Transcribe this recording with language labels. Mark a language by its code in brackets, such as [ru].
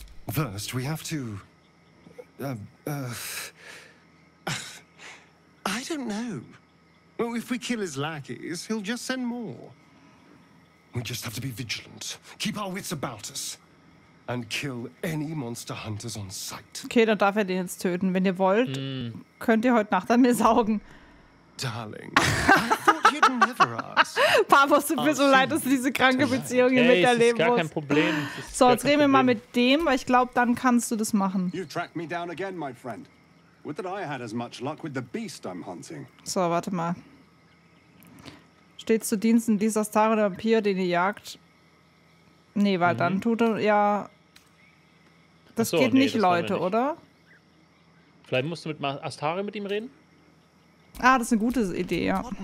[en] First, we have to... I don't know. Well, if we kill his lackeys, he'll just send more. We just have to be vigilant, keep our wits about us, and kill any monster hunters on sight. [de] Okay, dann darf er den jetzt töten. Wenn ihr wollt, könnt ihr heute Nacht an mir saugen. [en] Darling, I thought you'd never ask. [de] Papa, es tut mir so leid, dass du diese kranke Beziehung hier miterleben musst. Ist gar kein Problem. So, jetzt reden wir mal mit dem, weil ich glaube, dann kannst du das machen. [en] You've tracked me down again, my friend. Would that I had as much luck with the beast I'm hunting. [de] So, warte mal. Steht zu Diensten dieser Star oder Vampir, den ihr jagt? Nee, weil dann tut er, ja... Das geht nicht, Leute, oder? Vielleicht musst du mit Astari mit ihm reden? Ah, das ist eine gute Idee, ja.